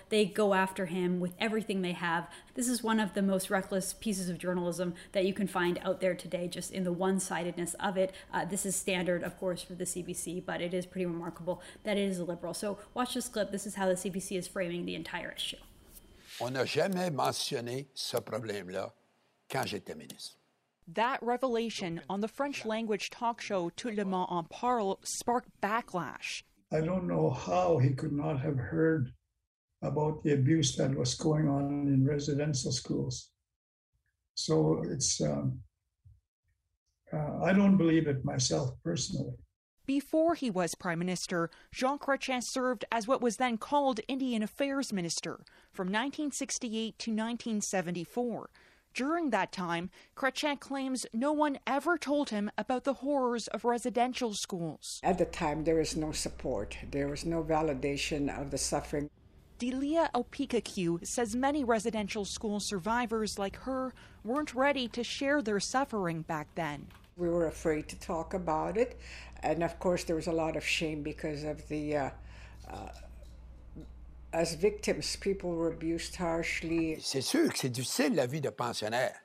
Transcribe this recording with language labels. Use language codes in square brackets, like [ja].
[en] They go after him with everything they have. This is one of the most reckless pieces of journalism that you can find out there today, just in the one-sidedness of it. This is standard, of course, for the CBC, but it is pretty remarkable that it is a liberal. So watch this clip. This is how the CBC is framing the entire issue. [fr] On n'a jamais mentionné ce problème-là quand j'étais ministre. [en] That revelation on the French language talk show Tout le monde en parle sparked backlash. I don't know how he could not have heard about the abuse that was going on in residential schools. So it's I don't believe it myself personally. Before he was Prime Minister, Jean Chrétien served as what was then called Indian Affairs Minister from 1968 to 1974. During that time, Chrétien claims no one ever told him about the horrors of residential schools. At the time, there was no support. There was no validation of the suffering. Delia Opikaku says many residential school survivors like her weren't ready to share their suffering back then. We were afraid to talk about it. And of course, there was a lot of shame because of the... As victims, people were abused harshly. [fr] C'est sûr que c'est difficile, la vie de pensionnaire.